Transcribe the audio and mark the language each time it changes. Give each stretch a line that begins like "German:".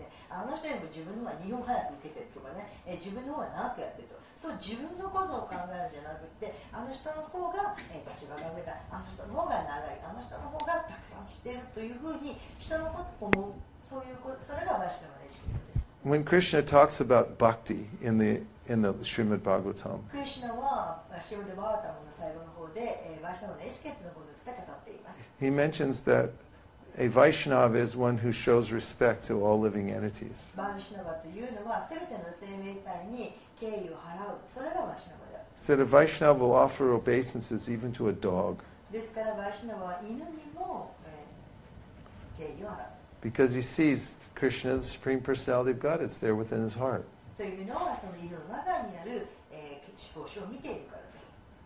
Japanese: あの人にも自分のは2分早く受けてるとかね、自分の方が長くやってると、そう自分のことを考えるんじゃなくて、あの人の方が、立場が上だ、あの人の方が長い、あの人の方がたくさん知っているというふうに人のことを思う、そういうこと、それが私の意識です。
English: When Krishna talks about bhakti in the Srimad Bhagavatam,
Japanese: Krishna はシムデバータムの最後の方で、私の意識のことについて語っています。
English: He mentions thatA Vaishnava is one who shows respect to all living entities.
Japanese: Vaishnava というのは、すべての生命体に敬意を払う。それが Vaishnava だ。
English: Said a Vaishnava will offer obeisances even to a dog.
Japanese: ですから、Vaishnava は犬にも、敬意を払う。
English: Because he sees Krishna, the Supreme Personality of God, it's there within his heart.
Japanese: というのは、その犬の中にある、思考書を見ているからです。